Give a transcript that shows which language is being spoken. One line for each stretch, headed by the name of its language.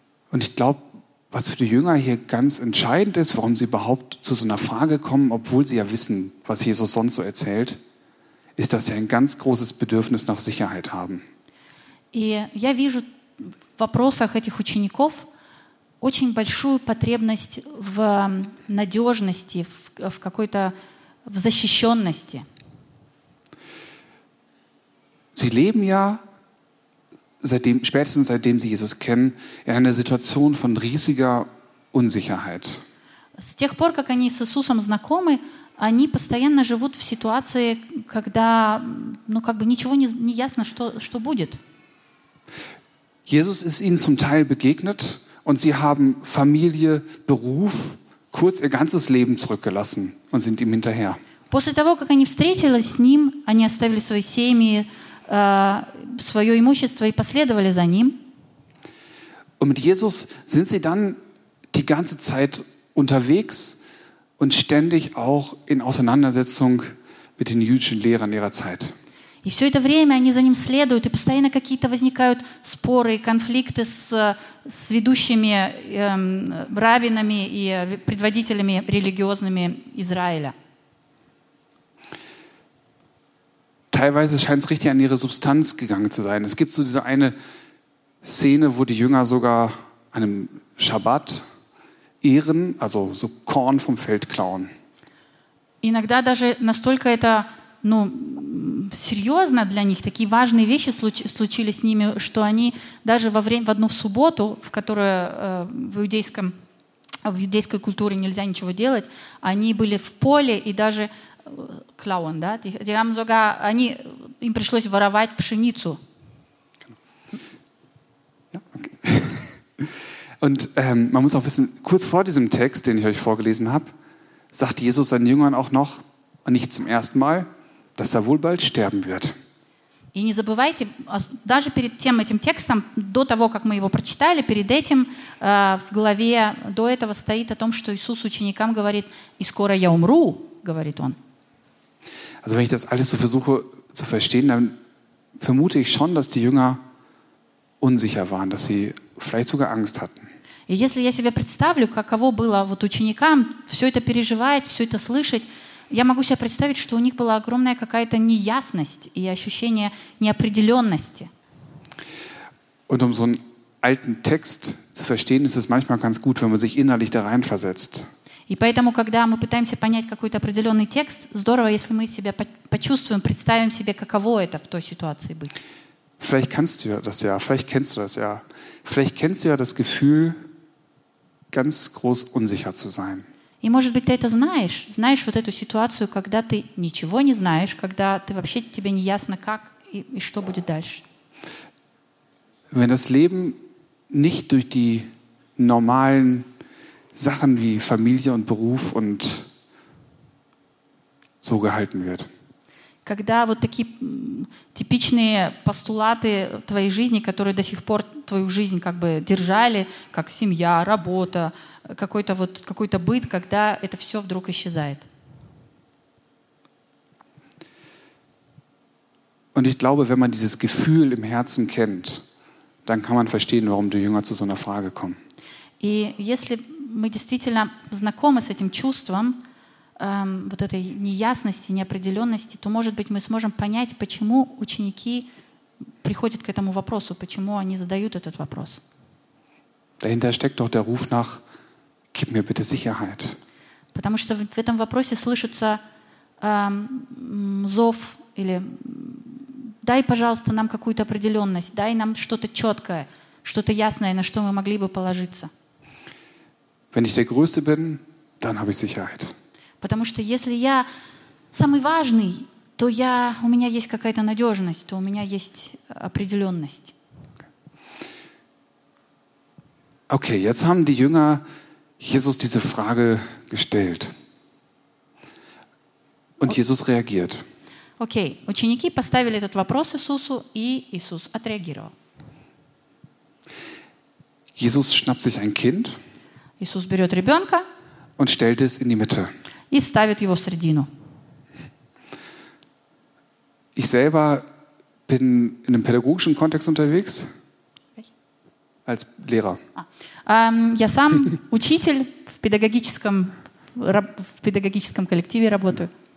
German: Und ich glaube, was für die Jünger hier ganz entscheidend ist, warum sie überhaupt zu so einer Frage kommen, obwohl sie ja wissen, was Jesus sonst so erzählt, ist, dass sie ein ganz großes Bedürfnis nach Sicherheit haben.
Russian: И я вижу в вопросах этих учеников очень большую потребность в надежности, в какой-то в защищенности.
German: Sie leben ja spätestens seitdem sie Jesus kennen, in einer Situation von riesiger Unsicherheit.
Russian: С тех пор, как они с Иисусом знакомы, они постоянно живут в ситуации, когда, ничего не ясно, что будет.
German: Jesus ist ihnen zum Teil begegnet und sie haben Familie, Beruf, kurz ihr ganzes Leben zurückgelassen und sind ihm hinterher.
Russian: После того, как они встретились с ним, они оставили свои семьи, свое имущество и последовали за ним.
German: Und mit Jesus sind sie dann die ganze Zeit unterwegs und ständig auch in Auseinandersetzung mit den jüdischen Lehrern ihrer Zeit.
Russian: И все это время они за ним следуют и постоянно какие-то возникают споры и конфликты с ведущими раввинами и предводителями религиозными Израиля.
German: teilweise scheint es richtig an ihre Substanz gegangen zu sein. Es gibt so diese eine Szene, wo die Jünger sogar an einem Schabbat Ehren, also so Korn vom Feld klauen.
Russian: Иногда даже настолько это, ну, серьезно для них, такие важные вещи случились с ними, что они даже во время, в одну субботу, в которую в иудейской культуре нельзя ничего делать, они были в поле и даже
German: клауэн,
Russian: да? Им пришлось воровать пшеницу.
German: Und man muss auch wissen, kurz vor diesem Text, den ich euch vorgelesen habe, sagt Jesus seinen Jüngern auch noch, nicht zum ersten Mal, dass er wohl bald sterben wird.
Russian: И не забывайте, даже перед тем этим текстом, до того, как мы его прочитали, перед этим в главе до этого стоит о том, что Иисус ученикам говорит, и скоро я умру, говорит он.
German: Also wenn ich das alles so versuche zu verstehen, dann vermute ich schon, dass die Jünger unsicher waren, dass sie vielleicht sogar Angst hatten.
Russian: И если я себе представлю, каково было вот ученикам все это переживать, все это слышать, я могу себе представить, что у них была огромная какая-то неясность и ощущение неопределенности.
German: Und um so einen alten Text zu verstehen, ist es manchmal ganz gut, wenn man sich innerlich da reinversetzt.
Russian: И поэтому, когда мы пытаемся понять какой-то определенный текст, здорово, если мы себя почувствуем, представим себе, каково это в той ситуации быть.
German: Vielleicht kannst du ja das ja, vielleicht kennst du das ja. Vielleicht kennst du ja das Gefühl, ganz groß unsicher zu sein.
Russian: И может быть, ты это знаешь, знаешь вот эту ситуацию, когда ты ничего не знаешь, когда ты вообще тебе не ясно, как и что будет дальше.
German: Wenn das Leben nicht durch die normalen Sachen wie Familie und Beruf und so gehalten wird.
Russian: Когда вот такие типичные постулаты твоей жизни, которые до сих пор твою жизнь как бы держали, как семья, работа, какой-то вот какой-то быт, когда это все вдруг исчезает.
German: Und ich glaube, wenn man dieses Gefühl im Herzen kennt, dann kann man verstehen, warum die Jünger zu so einer Frage kommen.
Russian: И если мы действительно знакомы с этим чувством, вот этой неясности, неопределенности, то, может быть, мы сможем понять, почему ученики приходят к этому вопросу, почему они задают этот вопрос.
German: Dahinter steckt doch der Ruf nach, gib mir bitte Sicherheit.
Russian: Потому что в этом вопросе слышится зов или дай, пожалуйста, нам какую-то определенность, дай нам что-то четкое, что-то ясное, на что мы могли бы положиться.
German: Wenn ich der Größte bin, dann habe ich Sicherheit.
Russian: Потому что если я самый важный, то я, у меня есть какая-то надежность, то у меня есть определенность.
German: Okay, jetzt haben die Jünger Jesus diese Frage gestellt. Und Jesus reagiert.
Russian: Okay, ученики поставили этот вопрос Иисусу, и Иисус отреагировал.
German: Jesus schnappt sich ein Kind.
Russian: Иисус берет ребенка.
German: Und stellt es in die Mitte.
Russian: И ставит его в середину.
German: Ich selber bin in einem pädagogischen Kontext unterwegs. Als Lehrer.
Russian: Я сам учитель в педагогическом коллективе работаю.